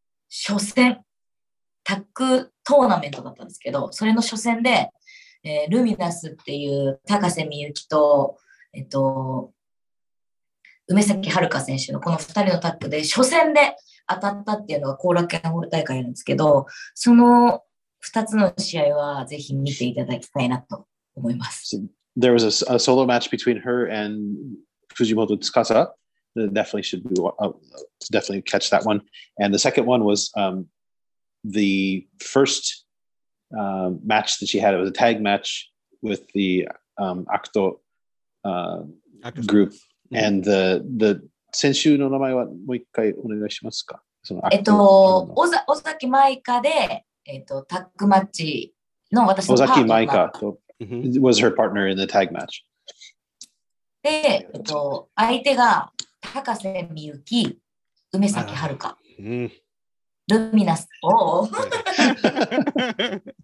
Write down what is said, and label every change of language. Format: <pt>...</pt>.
<ja>戦、タッグトーナメントだったんですけど、それの初戦で、ルミナスっていう高瀬美雪 と、梅崎遥選手のこの2人のタッグで初戦で当たったっていうのが後楽園ホール大会なんですけど、その2つの試合はぜひ見ていただきたいなと思います。</ja> <en>So, there was a solo match between her and Fujimoto Tsukasa. Definitely should be, definitely catch that one. And the second one was the first match that she had. It was a tag match with the Akuto group. And the</en> <ja>選手の名前はもう一回お願いしますか？尾崎舞香で、タッグマッチの私のパートナー。</ja> <en>尾崎舞香と、was her partner in the tag match.</en> <ja>で、相手が高瀬美由紀、梅崎遥香、ルミナス、おぉ。</ja>